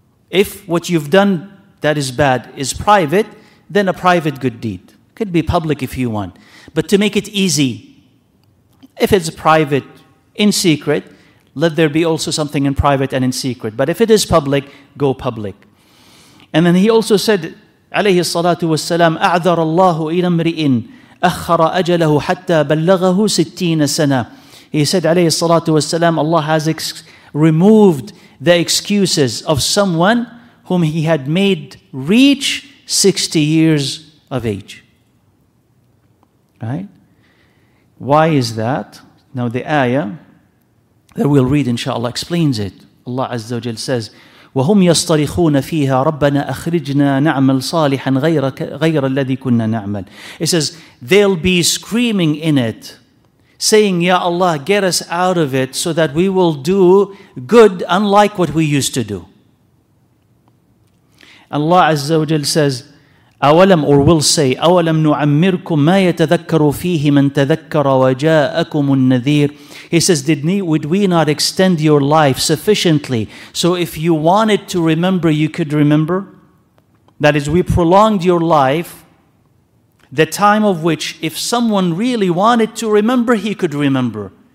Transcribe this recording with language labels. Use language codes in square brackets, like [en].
[en] If what you've done that is bad is private, then a private good deed. Could be public if you want. But to make it easy, if it's private, in secret, let there be also something in private and in secret. But if it is public, go public. And then he also said, [ar] عليه الصلاة والسلام, أعذر الله إلى امرئ أخر أجله حتى بلغه 60 سنة. [en] He said, [ar] عليه الصلاة والسلام, [en] Allah has removed the excuses of someone whom he had made reach 60 years of age. Right? Why is that? Now the ayah that we'll read, inshallah, explains it. Allah Azza wa Jal says, [ar] وَهُمْ يَصْطَرِخُونَ فِيهَا رَبَّنَا أَخْرِجْنَا نَعْمَلْ صَالِحًا غَيْرَ الَّذِي كُنَّا نَعْمَلْ. [en] It says, they'll be screaming in it, saying, Ya Allah, get us out of it so that we will do good unlike what we used to do. Allah Azza wa Jal says, [ar] أَوَلَمْ [en] or will say, [ar] أَوَلَمْ نُعَمِّرْكُمْ مَا يَتَذَكَّرُ فِيهِ مَنْ تَذَكَّرَ وَجَاءَكُمُ النَّذِيرُ. [en] He says, would we not extend your life sufficiently so if you wanted to remember, you could remember? That is, we prolonged your life, the time of which, if someone really wanted to remember, he could remember.